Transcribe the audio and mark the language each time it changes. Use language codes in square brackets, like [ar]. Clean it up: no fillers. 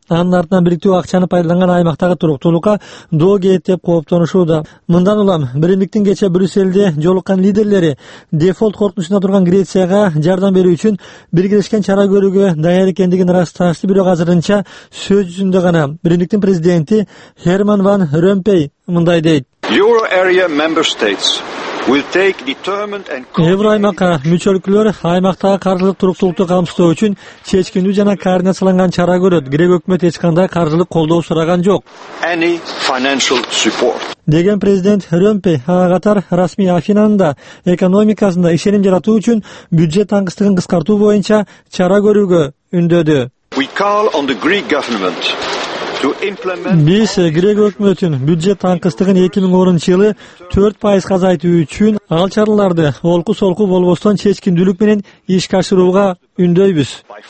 [ky] Анын артынан бириктүү акчаны пайдаланган аймактагы туруктуулукка доо кетет деп кооптонушууда. Мындан улам биримдиктин кечээ Брюсселде жолуккан лидерлери дефолт коркунучунда турган Грецияга жардам берүү үчүн биргелешкен чара көрүүгө даяр экендигин ырасташты, бирок азырынча сөз жүзүндө гана. Биримдиктин президенти Херман ван Ромпей мындай дейт: [en] Euro area member states will take determined and [ky] Евро аймакка мүчө өлкөлөр аймактагы каржылык туруктуулукту камсыздоо үчүн чечкиндүү жана координацияланган чара көрөт. Грек өкмөт эч кандай каржылык колдоо сураган жок. [en] Any financial support. [ky] Деген президент Ромпе ага катар расмий Афинанын да экономикасында ишеним жаратуу үчүн бюджет таңкыстыгын кыскартуу боюнча чара көрүүгө үндөдү. [en] We call on the Greek government. [ky] Биз грек өкмөтүн бюджет таңкыстыгын 2010 жылы 4% азайтуу үчүн ал чараларды олку солку болбостон чечкиндүүлүк менен ишке ашырууга үндөйбүз.